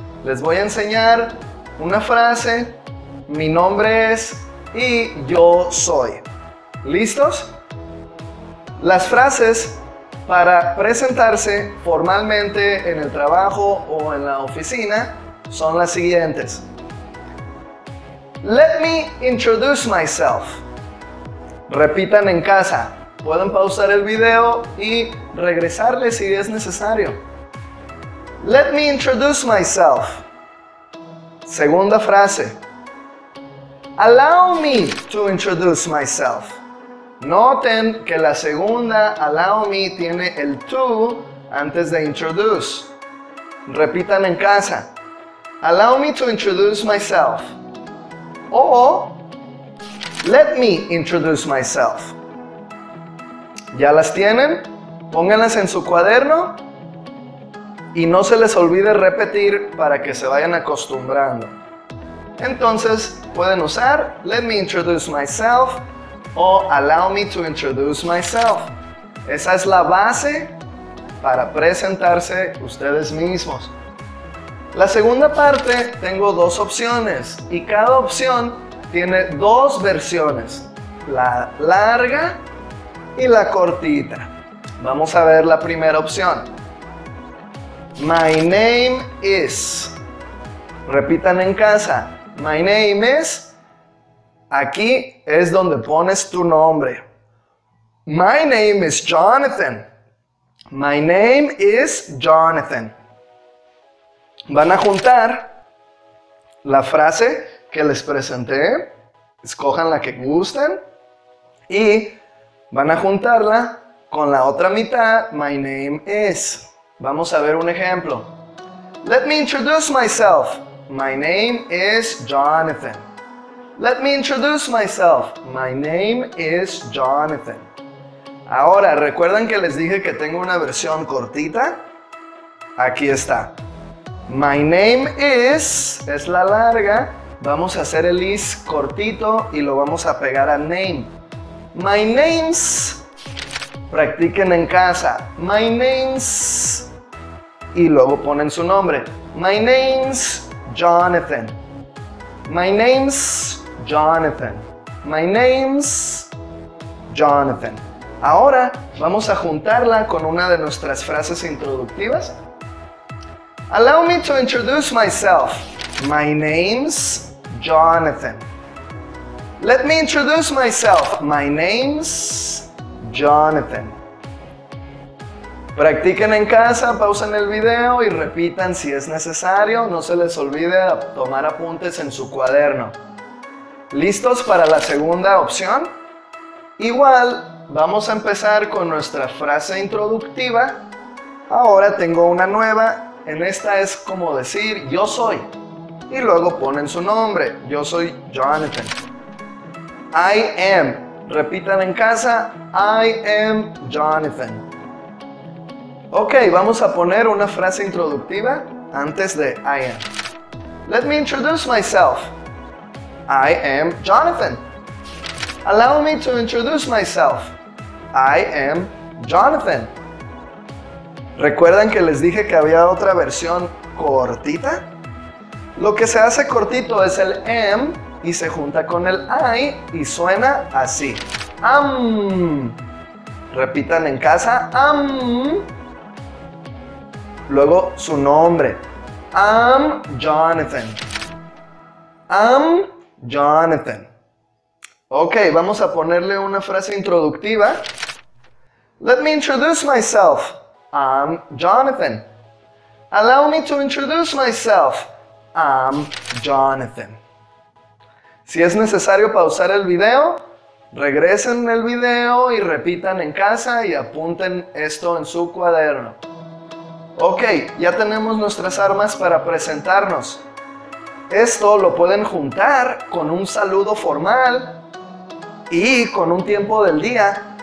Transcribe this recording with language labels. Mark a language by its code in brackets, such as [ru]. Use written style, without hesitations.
[es] Les voy a enseñar una frase, mi nombre es y yo soy. ¿Listos? Las frases para presentarse formalmente en el trabajo o en la oficina son las siguientes. [en] Let me introduce myself. [es] Repitan en casa. Pueden pausar el video y regresarle si es necesario. [en] Let me introduce myself. [es] Segunda frase. [en] Allow me to introduce myself. [es] Noten que la segunda, [en] allow me, [es] tiene el to antes de introduce. Repitan en casa. [en] Allow me to introduce myself. O let me introduce myself. [es] ¿Ya las tienen? Pónganlas en su cuaderno y no se les olvide repetir para que se vayan acostumbrando. Entonces, pueden usar [en] let me introduce myself. O allow me to introduce myself. [es] Esa es la base para presentarse ustedes mismos. La segunda parte, tengo dos opciones y cada opción tiene dos versiones, la larga y la cortita. Vamos a ver la primera opción. [en] My name is. [es] Repitan en casa. [en] My name is. [es] Aquí es donde pones tu nombre. [en] My name is Jonathan. My name is Jonathan. [es] Van a juntar la frase que les presenté. Escojan la que gusten. Y van a juntarla con la otra mitad. [en] My name is. [es] Vamos a ver un ejemplo. [en] Let me introduce myself. My name is Jonathan. Let me introduce myself. My name is Jonathan. [es] Ahora, ¿recuerdan que les dije que tengo una versión cortita? Aquí está. [en] My name [es] es la larga. Vamos a hacer el is cortito y lo vamos a pegar a name. [en] My name's. [es] Practiquen en casa. [en] My name's. [es] Y luego ponen su nombre. [en] My name's Jonathan. My name's Jonathan. My name's Jonathan. [es] Ahora vamos a juntarla con una de nuestras frases introductivas. [en] Allow me to introduce myself. My name's Jonathan. Let me introduce myself. My name's Jonathan. [es] Practiquen en casa, pausen el video y repitan si es necesario. No se les olvide tomar apuntes en su cuaderno. ¿Listos para la segunda opción? Igual, vamos a empezar con nuestra frase introductiva. Ahora tengo una nueva. En esta es como decir yo soy. Y luego ponen su nombre. Yo soy Jonathan. [en] I am. [es] Repitan en casa. [en] I am Jonathan. [es] Ok, vamos a poner una frase introductiva antes de [en] I am. Let me introduce myself. I am Jonathan. Allow me to introduce myself. I am Jonathan. [es] ¿Recuerdan que les dije que había otra versión cortita? Lo que se hace cortito es el am y se junta con el I y suena así. [en] Am. [es] Repitan en casa. Am. Luego su nombre. [en] Am Jonathan. Am Jonathan. [es] Ok, vamos a ponerle una frase introductiva. [en] Let me introduce myself. I'm Jonathan. Allow me to introduce myself. I'm Jonathan. [es] Si es necesario pausar el video, regresen el video y repitan en casa y apunten esto en su cuaderno. Ok, ya tenemos nuestras armas para presentarnos. Esto lo pueden juntar con un saludo formal y con un tiempo del día.